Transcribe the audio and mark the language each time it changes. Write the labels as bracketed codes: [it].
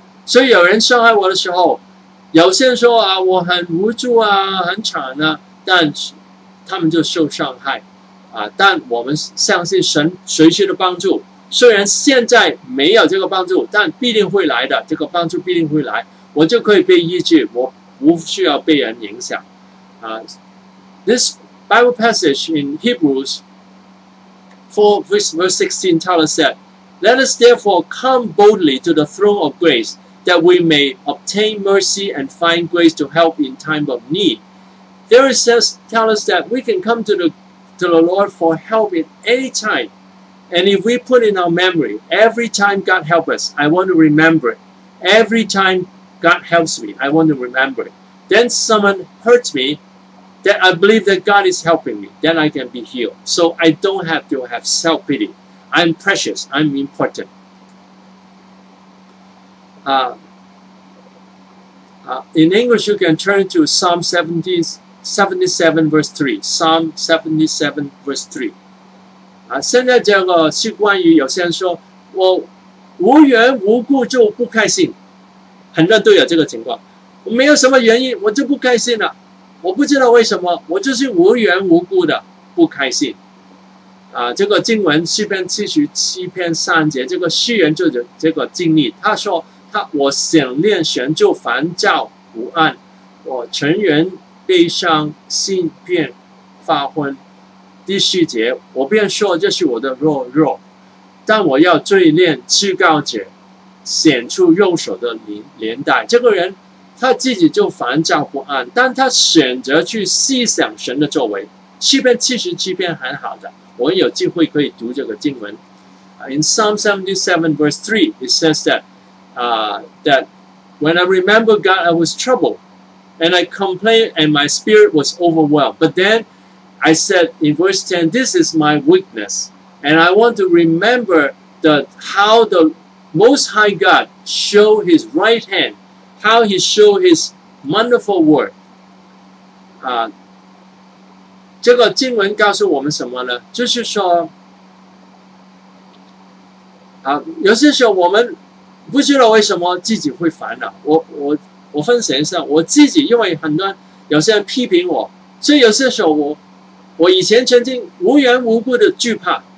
[zh] 所以有人伤害我的时候，有些人说啊，我很无助啊，很惨啊，但他们就受伤害啊。但我们相信神随时的帮助，虽然现在没有这个帮助，但必定会来的，这个帮助必定会来，我就可以被医治，我不需要被人影响啊。 [en] This Bible passage in Hebrews 4:16 tell us that, let us therefore come boldly to the throne of grace, that we may obtain mercy and find grace to help in time of need. There it says, tell us that we can come to the Lord for help in any time. And if we put in our memory, every time God helps us, I want to remember it. Every time God helps me, I want to remember it. Then someone hurts me, that I believe that God is helping me, then I can be healed. So I don't have to have self-pity. I'm precious. I'm important. In English, you can turn to Psalm 77 verse 3. [zh] 现在这个是关于有些人说我无缘无故就不开心，很多都有这个情况，我没有什么原因我就不开心了，我不知道为什么，我就是无缘无故的不开心啊。这个经文诗篇77:3，这个诗人就这个经历，他说他我想念神就烦躁不安，我全员悲伤心变发昏。 10，我便说这是我的懦弱，但我要罪念至高者，显出右手的连带。这个人他自己就烦躁不安，但他选择去细想神的作为。 77很好的，我有机会可以读这个经文。 [en] In Psalm 77:3, it says that, that when I remember God, I was troubled, and I complained, and my spirit was overwhelmed. But then I said in verse 10, this is my weakness, and I want to remember how the Most High God showed His right hand, how He showed His wonderful word. [zh] 这个经文告诉我们什么呢？就是说，有些时候我们不知道为什么自己会烦恼。我分享一下我自己，因为很多有些人批评我，所以有些时候我以前曾经无缘无故的惧怕。